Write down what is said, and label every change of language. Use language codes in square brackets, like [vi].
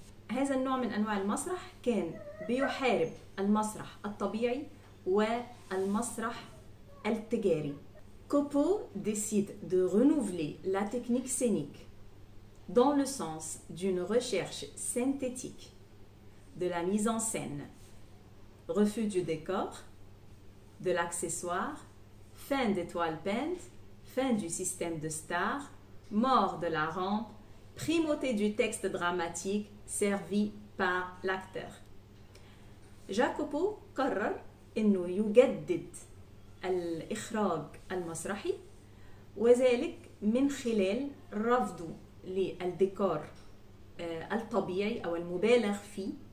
[ar] هذا النوع من أنواع المسرح كان بيحارب المسرح الطبيعي والمسرح التجاري. [fr] Copeau décide de renouveler la technique scénique dans le sens d'une recherche synthétique de la mise en scène, refus du décor, de l'accessoire, fin des toiles peintes, fin du système de star, mort de la rampe, primauté du texte dramatique servi par l'acteur. [ar] Jacopo قرر انه يجدد الاخراج المسرحي وذلك من خلال رفضه للديكور الطبيعي او المبالغ فيه